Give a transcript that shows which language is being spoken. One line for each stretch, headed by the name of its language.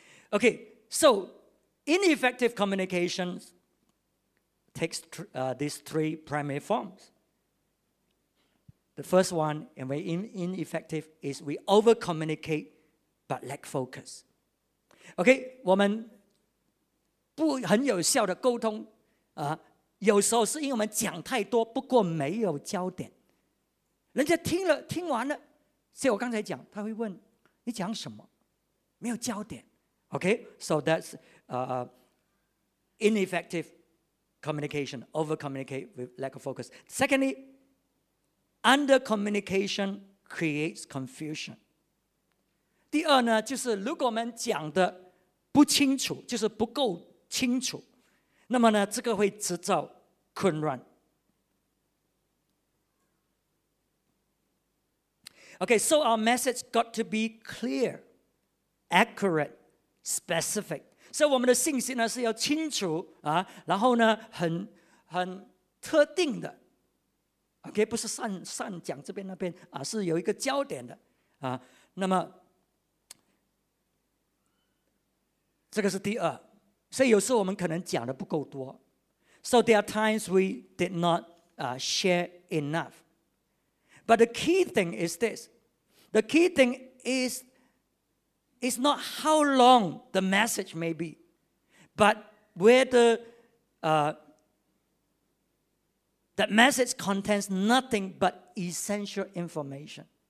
English: Okay, so ineffective communication takes these three primary forms. The first one, and we're ineffective, is we over communicate but lack focus.
Chinese: Okay, 不很有效的沟通、有时候是因为我们讲太多，不过没有焦点，人家听了听完了，所以我刚才讲他会问你讲什么，没有焦点。
English: OK, so that's ineffective communication, over communicate with lack of focus. Secondly, under communication creates confusion.
Chinese: 第二呢，就是如果我们讲的不清楚，就是不够清楚，那么呢，这个会制造混乱。
English: Okay, so our message got to be clear, accurate, specific.
Chinese: So 我们的信息呢是要清楚啊，然后呢很特定的。 Okay, 不是擅讲这边那边啊，是有一个焦点的啊。那么这个是第二。所以有时候我们可能讲的不够多。
English: So there are times we did not share enough. But the key thing is this. The key thing is not how long the message may be, but whether that message contains nothing but essential information.